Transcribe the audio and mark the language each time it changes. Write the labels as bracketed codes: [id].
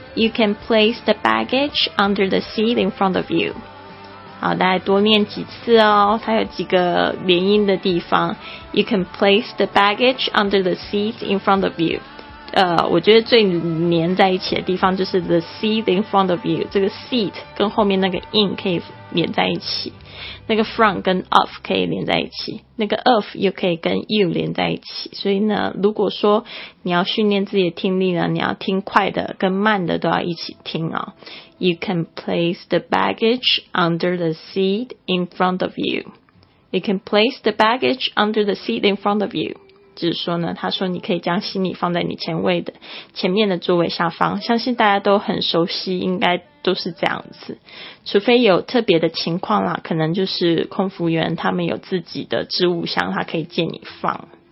[en] You can place the baggage under the seat in front of you. [zh] 好，大家多念几次哦，它有几个连音的地方。 [en] You can place the baggage under the seat in front of you. [zh] 我觉得最连在一起的地方就是 [en] the seat in front of you. [zh] 这个 seat 跟后面那个 in 可以连在一起，那个 front 跟 of 可以连在一起，那个 of 又可以跟 you 连在一起。所以呢，如果说你要训练自己的听力呢，你要听快的跟慢的都要一起听哦。 [en] You can place the baggage under the seat in front of you. You can place the baggage under the seat in front of you. [zh] 就是说呢，他说你可以将行李放在你前面的座位下方，相信大家都很熟悉，应该都是这样子，除非有特别的情况啦，可能就是空服员他们有自己的置物箱，他可以借你放。